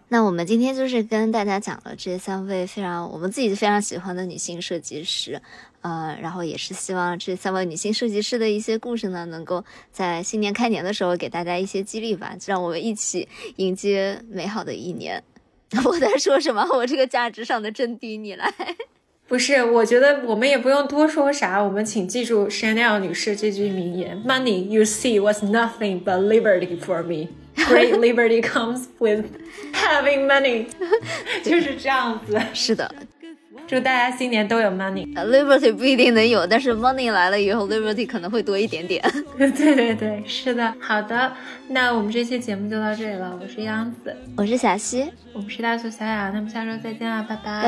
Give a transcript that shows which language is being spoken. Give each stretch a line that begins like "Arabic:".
Chinese: 那我们今天就是跟大家讲了这三位非常我们自己非常喜欢的女性设计师，然后也是希望这三位女性设计师的一些故事呢能够在新年开年的时候给大家一些激励吧，让我们一起迎接美好的一年。我在说什么？我这个价值上的真低，你来。不是，我觉得我们也不用多说啥，我们请记住 Chanel 女士这句名言
English: Money you see was nothing but liberty for me. Great liberty comes with having money.
Chinese: 就是这样子。是的，祝大家新年都有 money。 Liberty 不一定能有，但是 money 来了以后 liberty 可能会多一点点。对对对，是的。好的，那我们这期节目就到这里了。我是央子。我是小西。我们是大苏小雅，那么下周再见啊，拜拜